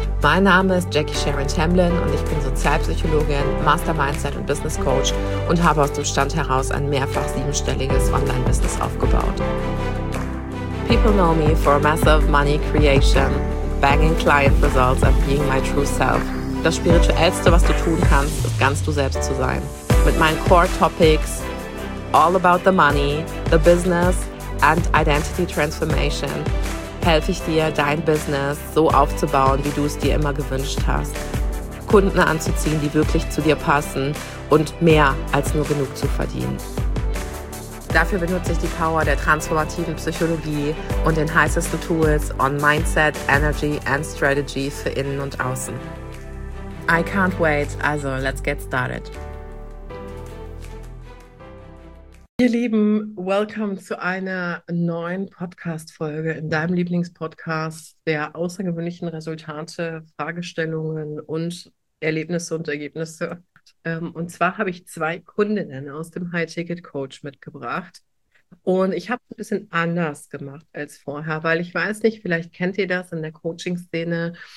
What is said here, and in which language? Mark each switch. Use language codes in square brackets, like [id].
[de] Mein Name ist Jackie Sharon Tamblyn und ich bin Sozialpsychologin, Master Mindset und Business Coach und habe aus dem Stand heraus ein mehrfach siebenstelliges Online-Business aufgebaut. [en] People know me for massive money creation, banging client results and being my true self. [de] Das Spirituellste, was du tun kannst, ist ganz du selbst zu sein. Mit meinen Core Topics, [en] all about the money, the business and identity transformation, [de] helfe ich dir, dein Business so aufzubauen, wie du es dir immer gewünscht hast. Kunden anzuziehen, die wirklich zu dir passen und mehr als nur genug zu verdienen. Dafür benutze ich die Power der transformativen Psychologie und den heißesten Tools [en] on Mindset, Energy and Strategy [de] für innen und außen. [en] I can't wait, also let's get started. [de] Ihr Lieben, welcome zu einer neuen Podcast-Folge in deinem Lieblingspodcast der außergewöhnlichen Resultate, Fragestellungen und Erlebnisse und Ergebnisse. Und zwar habe ich zwei Kundinnen aus dem High-Ticket-Coach mitgebracht und ich habe es ein bisschen anders gemacht als vorher, weil ich weiß nicht, vielleicht kennt ihr das in der Coaching-Szene,